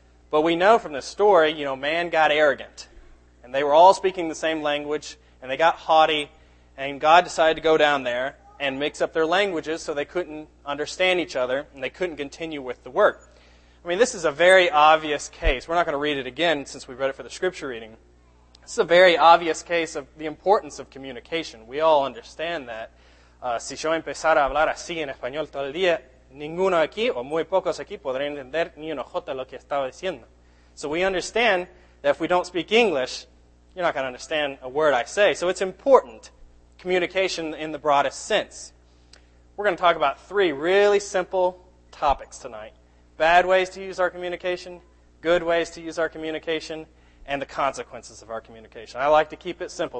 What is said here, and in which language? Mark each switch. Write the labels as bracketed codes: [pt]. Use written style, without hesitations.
[en] But we know from the story, you know, man got arrogant, and they were all speaking the same language, and they got haughty, and God decided to go down there and mix up their languages so they couldn't understand each other, and they couldn't continue with the work. I mean, this is a very obvious case. We're not going to read it again since we read it for the scripture reading. This is a very obvious case of the importance of communication. We all understand that. [es] Si yo empezara a hablar así en español todo el día, ninguno aquí o muy pocos aquí podrían entender ni una jota lo que estaba diciendo. [en] So we understand that if we don't speak English, you're not going to understand a word I say. So it's important, communication in the broadest sense. We're going to talk about three really simple topics tonight. Bad ways to use our communication, good ways to use our communication, and the consequences of our communication. I like to keep it simple.